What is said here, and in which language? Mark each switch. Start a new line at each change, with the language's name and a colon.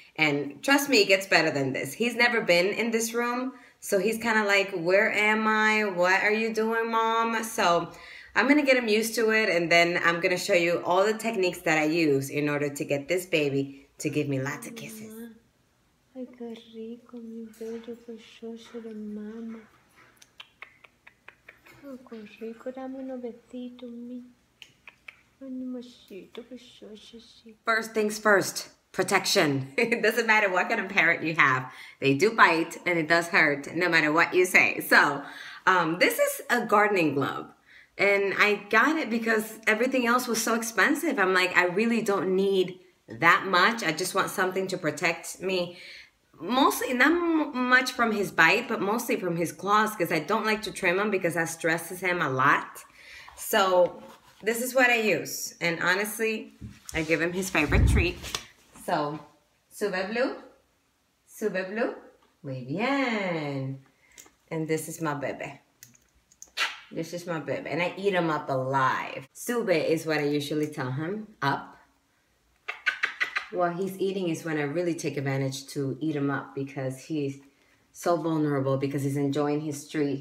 English: And trust me, it gets better than this. He's never been in this room. So he's kind of like, where am I? What are you doing, mom? So I'm gonna get him used to it, and then I'm gonna show you all the techniques that I use in order to get this baby to give me lots of kisses.
Spanish: Ay, qué rico, mi bello, por suerte de mama. Ay, qué rico, dame un besito, mi. Ay, mamacito, por suerte, sí.
English: First things first. Protection. It doesn't matter what kind of parrot you have. They do bite and it does hurt no matter what you say. So this is a gardening glove and I got it because everything else was so expensive. I'm like, I really don't need that much. I just want something to protect me. Mostly, not much from his bite, but mostly from his claws because I don't like to trim him because that stresses him a lot. So this is what I use. And honestly, I give him his favorite treat.
Spanish: So, sube Blue, sube Blue, muy bien.
English: And this is my bebe, this is my bebe. And I eat him up alive. Sube is what I usually tell him, up. What he's eating is when I really take advantage to eat him up because he's so vulnerable because he's enjoying his treat.